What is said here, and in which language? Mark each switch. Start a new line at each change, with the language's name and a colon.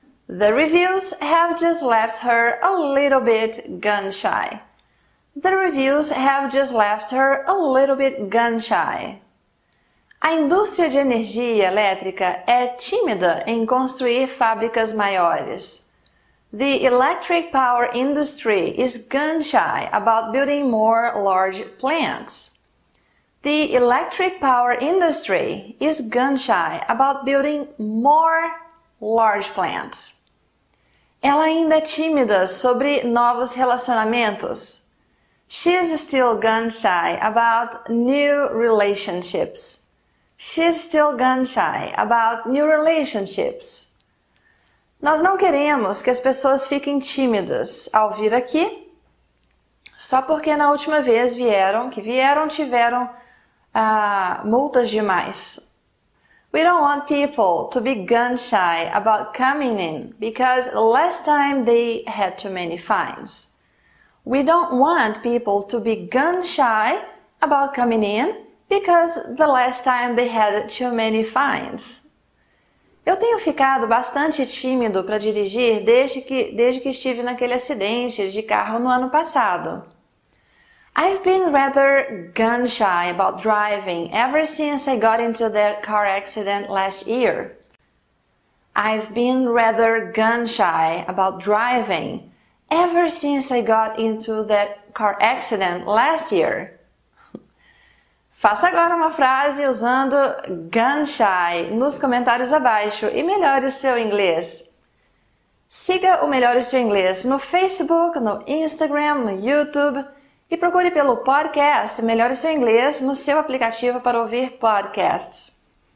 English: The reviews have just left her a little bit gun shy. The reviews have just left her a little bit gun shy.
Portuguese: A indústria de energia elétrica é tímida em construir fábricas maiores.
English: The electric power industry is gun shy about building more large plants. The electric power industry is gun shy about building more large plants.
Portuguese: Ela ainda é tímida sobre novos relacionamentos.
English: She's still gun shy about new relationships. She's still gun shy about new relationships.
Portuguese: Nós não queremos que as pessoas fiquem tímidas ao vir aqui, só porque na última vez vieram, tiveram multas demais.
English: We don't want people to be gun shy about coming in because last time they had too many fines. We don't want people to be gun shy about coming in because the last time they had too many fines.
Portuguese: Eu tenho ficado bastante tímido para dirigir desde que estive naquele acidente de carro no ano passado.
English: I've been rather gun shy about driving ever since I got into that car accident last year. I've been rather gun shy about driving ever since I got into that car accident last year.
Portuguese: Faça agora uma frase usando gun shy nos comentários abaixo e melhore seu inglês. Siga o Melhore Seu Inglês no Facebook, no Instagram, no YouTube e procure pelo podcast Melhore Seu Inglês no seu aplicativo para ouvir podcasts.